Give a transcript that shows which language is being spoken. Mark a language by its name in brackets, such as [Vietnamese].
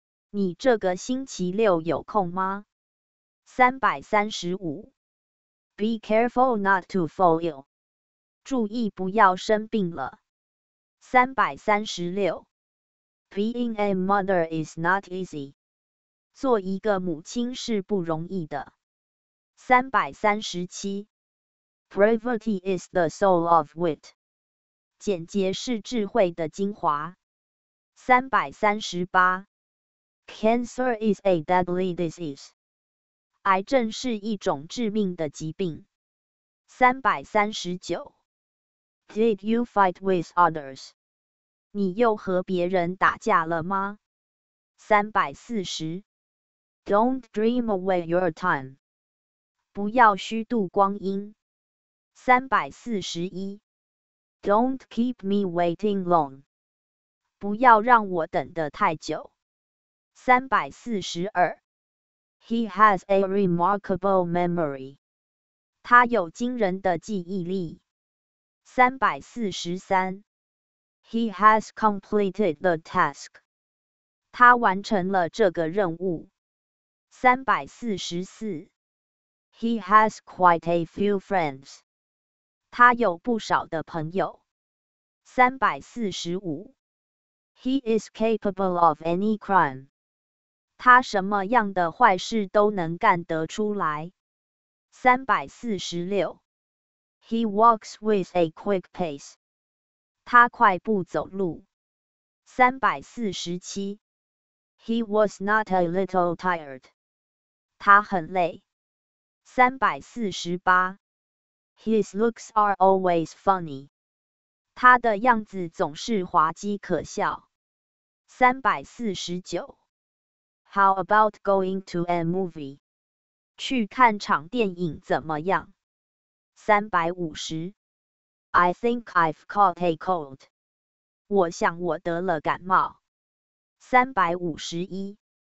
[Chinese] 你这个星期六有空吗？335 [English] Be careful not to fall ill. [Chinese] 注意不要生病了。336 [English] Being a mother is not easy. [Chinese] 做一个母亲是不容易的。 337 [English] Bravery is the soul of wit. [Chinese] 简洁是智慧的精华。338 [English] Cancer is a deadly disease. [Chinese] 癌症是一种致命的疾病。 339 [English] Did you fight with others? [Chinese] 你又和别人打架了吗？340 [English] Don't dream away your time. [Chinese] 不要虚度光阴。341 [English] Don't keep me waiting long. [Chinese] 不要让我等得太久。342 [English] He has a remarkable memory. [Chinese] 他有惊人的记忆力。343 [English] He has completed the task. [Chinese] 他完成了这个任务。344 [English] He has quite a few friends. [Chinese] 他有不少的朋友。345 [English] He is capable of any crime. [Chinese] 他什么样的坏事都能干得出来。 346 [English] He walks with a quick pace. [Chinese] 他快步走路。347 [English] He was not a little tired. [Chinese] 他很累。348 [English] His looks are always funny. [Chinese] 他的样子总是滑稽可笑。 349 [English] How about going to a movie? [Chinese] 去看场电影怎么样？350 [English] I think I've caught a cold. [Chinese] 我想我得了感冒。351.